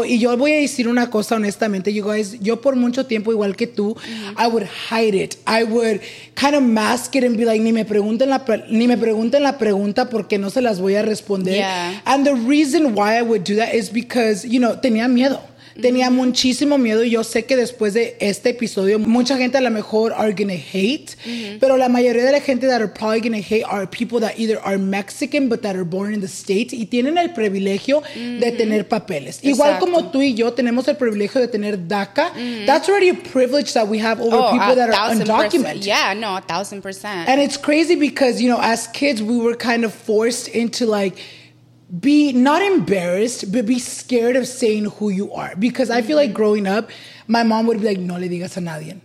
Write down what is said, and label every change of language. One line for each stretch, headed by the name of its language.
Spanish: Y yo voy a decir una cosa honestamente,
English: you guys,
Spanish: yo por mucho tiempo, igual que tú,
English: I would hide it. I would kind of mask it and be like,
Spanish: ni me pregunten la pregunta porque no se las voy a responder.
English: Yeah. And the reason why I would do that is because, you know,
Spanish: tenía miedo. Tenía muchísimo miedo. Yo sé que después de este episodio, mucha gente a lo mejor
English: are gonna hate.
Spanish: Pero la mayoría de la gente
English: that are probably gonna hate are people that either are Mexican but that are born in the States
Spanish: y tienen el privilegio de tener papeles. Exacto. Igual como tú y yo tenemos el privilegio de tener DACA.
English: That's already a privilege that we have over people that are undocumented. Yeah, no, 1,000%. And it's crazy because, you know, as kids, we were kind of forced into like, be not embarrassed, but be scared of saying who you are. Because I feel like growing up, my mom would be like,
Spanish: no le digas a nadie.